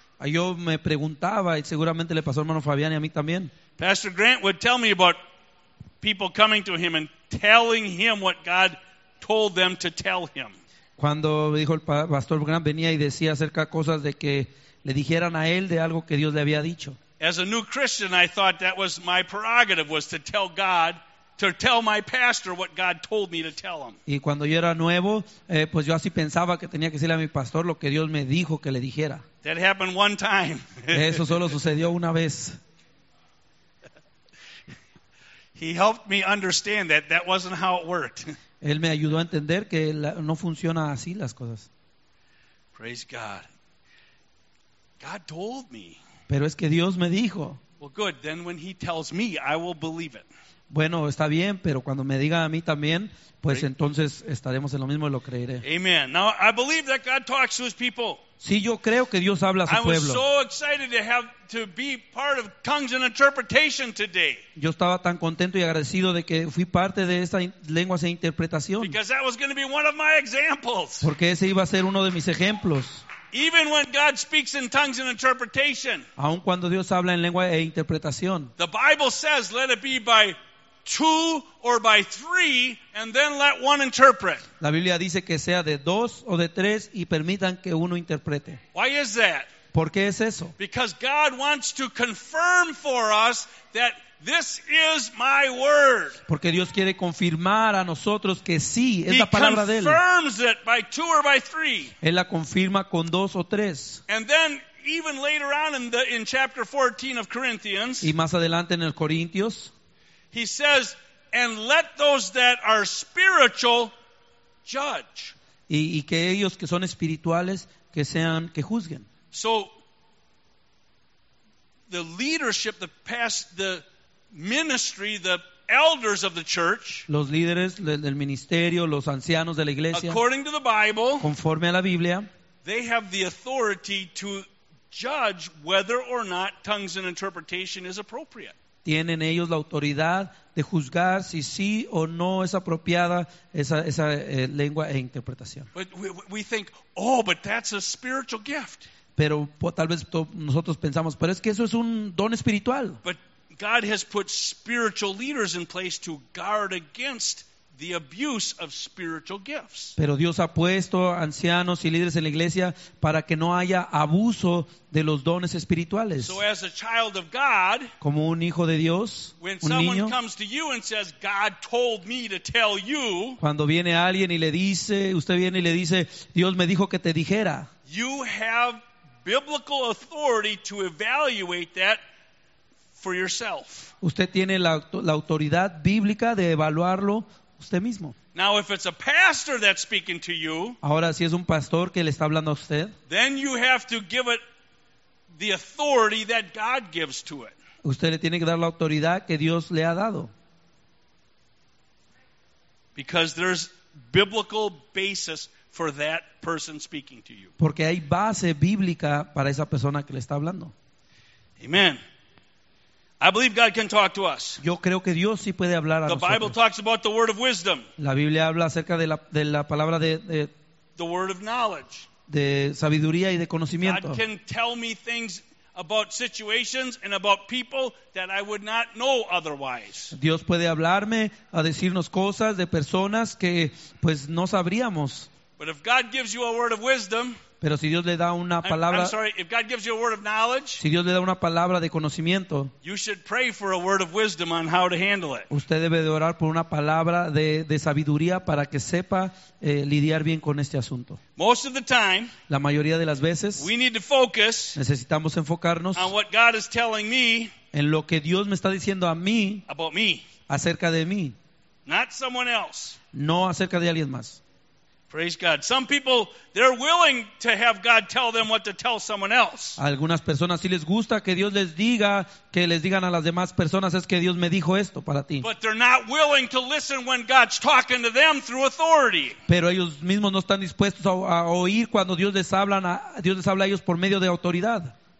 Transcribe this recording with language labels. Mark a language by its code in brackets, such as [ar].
[es] Yo me preguntaba, y seguramente le pasó a hermano Fabián y a mí también. [en] Pastor Grant would tell me about people coming to him and telling him what God told them to tell him. [es] Cuando dijo el pastor Graham venía y decía acerca cosas de que le dijeran a él de algo que Dios le había dicho. [en] As a new Christian, I thought that was my prerogative, was to tell God, to tell my pastor what God told me to tell him. [es] Y cuando yo era nuevo, pues yo así pensaba que tenía que decirle a mi pastor lo que Dios me dijo que le dijera. [en] That happened one time. [es] Eso solo sucedió una vez. [en] He helped me understand that that wasn't how it worked. [es] Él me ayudó a entender que no funciona así las cosas. [en] Praise God. God told me. [es] Pero es que Dios me dijo. [en] Well, good. Then when he tells me, I will believe it. [es] Bueno, está bien, pero cuando me diga a mí también, pues right. Entonces estaremos en lo mismo y lo creeré. [en] Amen. Now, I believe that God talks to his people. [es] Sí, yo creo que Dios habla a su pueblo. [en] I was so excited to have to be part of tongues and interpretation today. [es] Yo estaba tan contento y agradecido de que fui parte de esta lenguas e interpretación. [en] Because that was going to be one of my examples. [es] Porque ese iba a ser uno de mis ejemplos. [en] Even when God speaks in tongues and interpretation. [es] Aun cuando Dios habla en lengua e interpretación. [en] The Bible says, let it be by two or by three, and then let one interpret. [es] La Biblia dice que sea de dos o de tres y permitan que uno interprete. [en] Why is that? [es] ¿Por qué es eso? [en] Because God wants to confirm for us that this is my word. [es] Porque Dios quiere confirmar a nosotros que sí, es [en] he [es] la palabra de él. [en] He confirms it by two or by three. [es] Él la confirma con dos o tres. [en] And then even later on in chapter 14 of Corinthians. [es] Y más adelante en el Corintios. [en] He says, and let those that are spiritual judge. [es] Y que ellos que son espirituales que sean que juzguen. [en] So the leadership, the past, the ministry, the elders of the church, [es] los líderes del ministerio, los ancianos de la iglesia, [en] according to the Bible, [es] conforme a la Biblia, [en] they have the authority to judge whether or not tongues and interpretation is appropriate. [es] Tienen ellos la autoridad de juzgar si sí o no es apropiada esa lengua e interpretación. [en] But we think, oh, but that's a spiritual gift. [es] Pero tal vez nosotros pensamos, pero es que eso es un don espiritual. [en] But God has put spiritual leaders in place to guard against the abuse of spiritual gifts. [es] Pero Dios ha puesto ancianos y líderes en la iglesia para que no haya abuso de los dones espirituales. [en] So as a child of God, [es] como un hijo de Dios, [en] when [es] un [en] someone [es] niño, [en] comes to you and says, God told me to tell you, [es] cuando viene alguien y le dice, usted viene y le dice, Dios me dijo que te dijera, [en] you have biblical authority to evaluate that for yourself. [es] Usted tiene la autoridad bíblica de evaluarlo usted mismo. [en] Now if it's a pastor that's speaking to you, [es] ahora si es un pastor que le está hablando a usted, [en] then you have to give it the authority that God gives to it. [es] Usted le tiene que dar la autoridad que Dios le ha dado. [en] Because there's biblical basis for that person speaking to you. [es] Porque hay base bíblica para esa persona que le está hablando. [en] Amen. I believe God can talk to us. [es] Yo creo que Dios sí puede hablar a nosotros. [en] The Bible talks about the word of wisdom. [es] La Biblia habla acerca de la palabra de [en] the word of knowledge. [es] De sabiduría y de conocimiento. [en] God can tell me things about situations and about people that I would not know otherwise. [es] Dios puede hablarme a decirnos cosas de personas que pues no sabríamos. [en] But if God gives you a word of wisdom, [es] pero si Dios le da una palabra, [en] I'm sorry, if God gives you a word of knowledge, [es] si Dios le da una palabra de conocimiento, [en] you should pray for a word of wisdom on how to handle it. [es] Usted debe de orar por una palabra de sabiduría para que sepa lidiar bien con este asunto. [en] Most of the time, [es] la mayoría de las veces, [en] we need to focus, [es] necesitamos enfocarnos [en] on what God is telling me, [es] en lo que Dios me está diciendo a mí, [en] about me, [es] acerca de mí, [en] not someone else, [es] no acerca de alguien más. [en] Praise God. Some people, they're willing to have God tell them what to tell someone else. [es] Algunas personas sí les gusta que Dios les diga, que les digan a las demás personas, es que Dios me dijo esto para ti. [en] But they're not willing to listen when God's talking to them through authority. [es] Pero ellos mismos no están dispuestos a oír cuando Dios les habla a ellos por medio de autoridad.